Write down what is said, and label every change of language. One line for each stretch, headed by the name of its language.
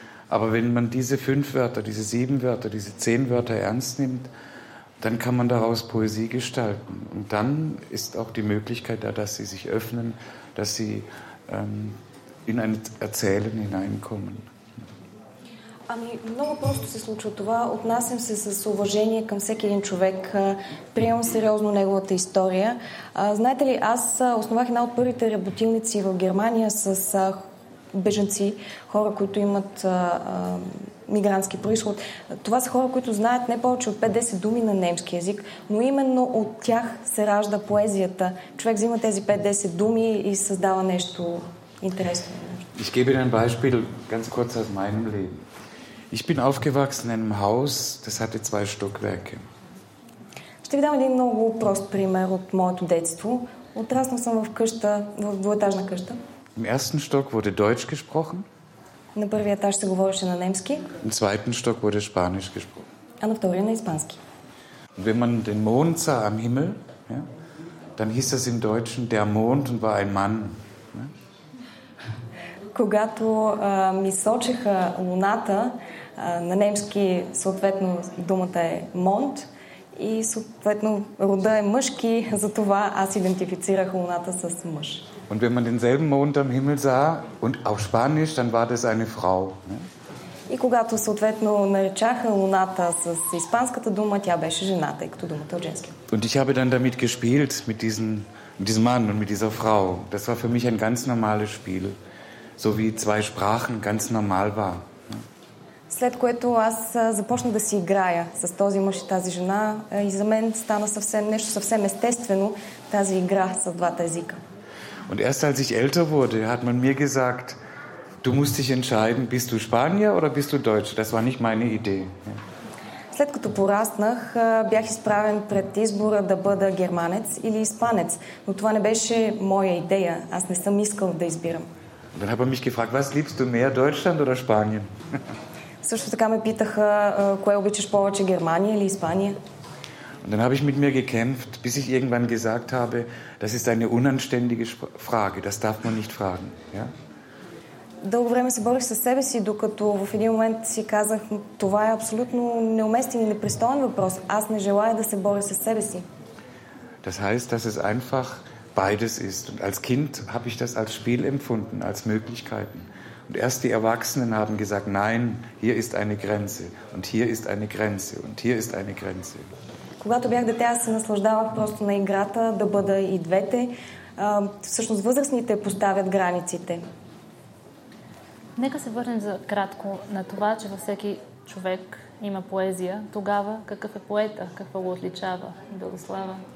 German: Aber wenn man diese 5 Wörter, diese 7 Wörter, diese 10 Wörter ernst nimmt, dann kann man daraus Poesie gestalten. Und dann ist auch die Möglichkeit da, dass sie sich öffnen, dass sie in ein Erzählen hineinkommen.
Bulgarian: Ами, много просто се случва това. Отнасям се с уважение към всеки един човек. Приемам сериозно неговата история. Знаете ли, аз основах една от първите работилници в Германия с беженци, хора, които имат мигрантски происход. Това са хора, които знаят не повече от 5-10 думи на немски език, но именно от тях се ражда поезията. Човек взима тези 5-10 думи и създава нещо интересно.
German: Ich gebe dir ein Beispiel, ganz kurz aus meinem Leben. Ich bin aufgewachsen in einem Haus, das hatte 2 Stockwerke.
Bulgarian: Ще ви дам един много прост пример от моето детство. Отраснал съм в къща, в двуетажна къща.
German: Im ersten Stock wurde Deutsch gesprochen.
Bulgarian: На първия етаж се говореше на немски.
German: Im zweiten Stock wurde Spanisch gesprochen.
Bulgarian: А на втория на испански.
German: Und wenn man den Mond sah am Himmel, ja, dann hieß das im Deutschen der Mond und war ein Mann.
Bulgarian: когато ми сочиха луната, на немски съответно думата е Монт, и съответно рода е мъжки, затова аз идентифицирах луната с мъж.
German: Und wenn man denselben Mond am Himmel sah und auf Spanisch, dann war das eine Frau, ne?
Bulgarian: И когато съответно наричаха луната с испанската дума, тя беше жена, тъй като думата е женски.
German: Und ich habe dann damit gespielt mit diesem Mann und mit dieser Frau. Das war für mich ein ganz normales Spiel, so wie zwei Sprachen ganz normal war.
Bulgarian: След което аз започнах да си играя с този мъж и тази жена и за мен стана съвсем нещо съвсем естествено тази игра с двата езика.
German: Und erst als ich älter wurde, hat man mir gesagt, du musst dich entscheiden, bist du Spanier oder bist du Deutsch? Das war nicht meine Idee.
Bulgarian: След като пораснах, бях изправен пред избора да бъда германец или испанец, но това не беше моя идея. Аз не съм искал да избирам.
German: Dann hat man mich gefragt, was liebst du mehr, Deutschland oder Spanien?
Bulgarian: Също така ме питаха, кое обичаш повече, Германия или Испания?
German: Und dann habe ich mit mir gekämpft, bis ich irgendwann gesagt habe, das ist eine unanständige Frage, das darf man nicht fragen, ja?
Bulgarian: Дълго време се борих със себе си, докато в един момент си казах, това е абсолютно неуместен и непристоен въпрос. Аз не желая да се боря със себе си.
German: Das heißt, dass es einfach beides ist. Und als Kind habe ich das als Spiel empfunden, als Möglichkeiten. Und erst die Erwachsenen haben gesagt, nein, hier ist eine Grenze. Und hier ist eine Grenze. Und hier ist eine Grenze.
Bulgarian: Когато бях дете, аз се наслаждавах просто на играта да бъда и двете. Всъщност възрастните поставят границите. Нека се върнем за кратко на това, че във всеки човек има поезия. Тогава какъв е поета? Какво го отличава? Белослава.